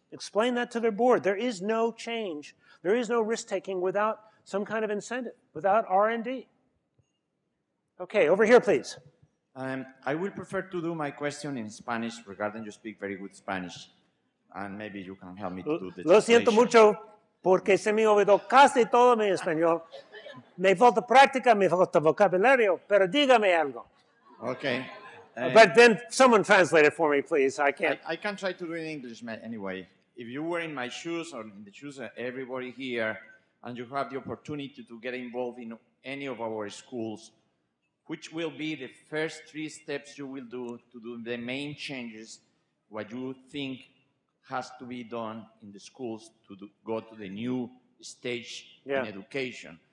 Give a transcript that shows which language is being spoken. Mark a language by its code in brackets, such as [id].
[en] Explain that to their board. There is no change. There is no risk-taking without some kind of incentive, without R&D. Okay, over here, please. I would prefer to do my question in Spanish, regarding you speak very good Spanish. And maybe you can help me to do the [es] translation. Lo siento mucho, porque se me olvidó casi todo mi español. Me falta práctica, me falta vocabulario, pero dígame algo. [en] Okay. But then someone translate it for me, please. I can't. I can try to do it in English anyway. If you were in my shoes or in the shoes of everybody here, and you have the opportunity to get involved in any of our schools, which will be the first three steps you will do to do the main changes, what you think has to be done in the schools to go to the new stage in education.